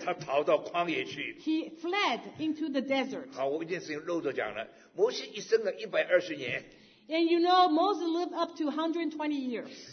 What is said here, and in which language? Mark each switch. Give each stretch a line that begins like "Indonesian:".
Chinese: 他逃到旷野去。
English: He fled into the desert.
Chinese: 好，我一件事。漏着讲了，摩西一生了120年。
English: And you know Moses lived up to 120 years.